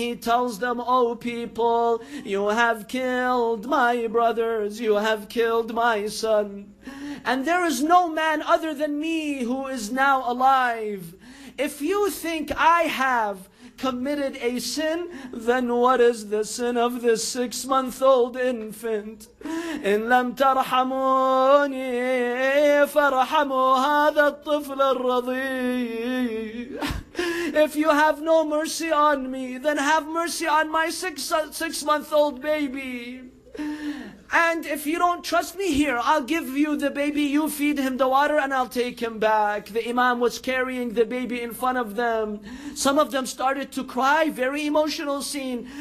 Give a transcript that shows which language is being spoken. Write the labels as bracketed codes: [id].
[en] He tells them, oh people, you have killed my brothers. You have killed my son. And there is no man other than me who is now alive. If you think I have committed a sin, then what is the sin of this 6-month-old infant? [ar] إن لم ترحموني فرحموا هذا الطفل الرضيع. [en] If you have no mercy on me, then have mercy on my six-month-old baby. And if you don't trust me, here, I'll give you the baby, you feed him the water, and I'll take him back. The Imam was carrying the baby in front of them. Some of them started to cry, very emotional scene.